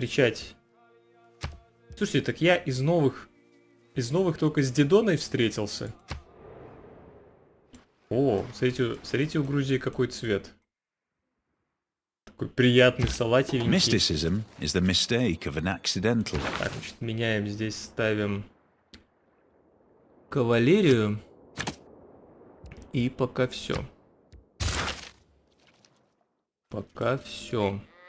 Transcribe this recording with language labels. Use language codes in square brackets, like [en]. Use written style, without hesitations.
[ru] Повстречать. Слушайте, так я из новых только с Дидоной встретился. О, смотрите, у Грузии какой цвет. Такой приятный салатенький. [en] Mysticism is the mistake of an accidental. [ru] Так, значит, меняем здесь, ставим кавалерию. И пока все. Пока все.